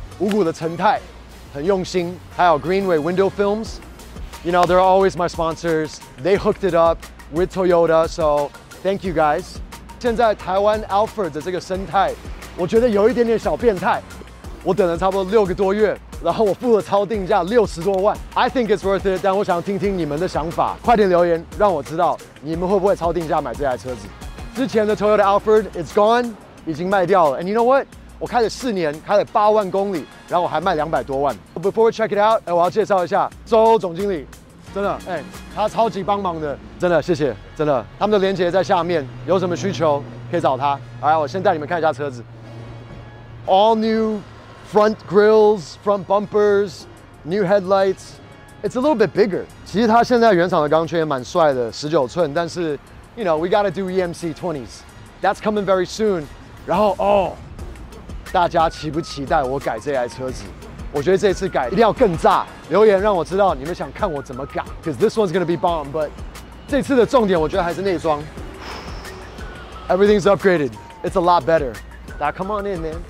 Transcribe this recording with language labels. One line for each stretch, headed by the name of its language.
Chinese: 五谷的陈太很用心，还有 Greenway Window Films，
English: you know they're always my sponsors. They hooked it up with Toyota, so thank you guys.
Chinese: 现在台湾 Alphard 的这个生态，我觉得有一点点小变态。我等了差不多六个多月。然后我付了超定价60多万 ，
English: I think it's worth it，
Chinese: 但我想听听你们的想法，快点留言让我知道你们会不会超定价买这台车子。之前的 Toyota Alphard is gone， 已经卖掉了。
English: And you know what？
Chinese: 我开了4年，开了8万公里，然后我还卖200多万。
English: Before we check it out，
Chinese: 我要介绍一下周欧总经理，真的，他超级帮忙的，真的谢谢，真的。他们的连结在下面，有什么需求可以找他。好，我先带你们看一下车子 ，
English: All new。 Front grills, front bumpers, new headlights. It's a little bit bigger.
Chinese: 其实它现在原厂的钢圈也蛮帅的，19寸。但是
English: ，you know, we gotta do EMC 20s. That's coming very soon.
Chinese: 然后哦，大家期不期待我改这台车子？我觉得这次改一定要更炸。留言让我知道你们想看我怎么改 ，
English: cause this one's gonna be bomb.
Chinese: But 这次的重点我觉得还是内装。
English: Everything's upgraded. It's a lot better. Now, come on in, man.